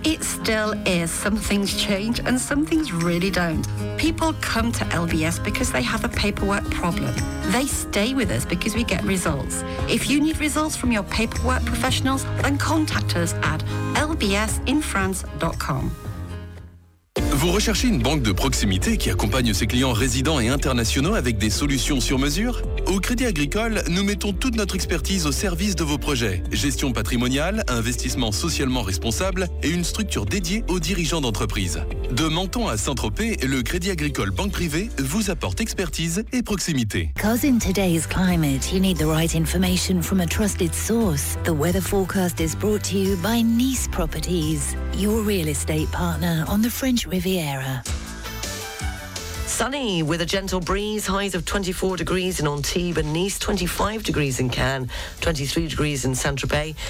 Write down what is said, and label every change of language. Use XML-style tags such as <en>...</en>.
<en>It still is. Some things change and some things really don't. People come to LBS because they have a paperwork problem. They stay with us because we get results. If you need results from your paperwork professionals, then contact us at lbsinfrance.com.</en> <fr>Vous recherchez une banque de proximité qui accompagne ses clients résidents et internationaux avec des solutions sur mesure? Au Crédit Agricole, nous mettons toute notre expertise au service de vos projets. Gestion patrimoniale, investissement socialement responsable et une structure dédiée aux dirigeants d'entreprise. De Menton à Saint-Tropez, le Crédit Agricole Banque Privée vous apporte expertise et proximité.</fr> <en>Because in today's climate, you need the right information from a trusted source. The weather forecast is brought to you by Nice Properties, your real estate partner on the French Riviera. Sunny with a gentle breeze, highs of 24 degrees in Antibes and Nice, 25 degrees in Cannes, 23 degrees in Saint-Tropez.</en>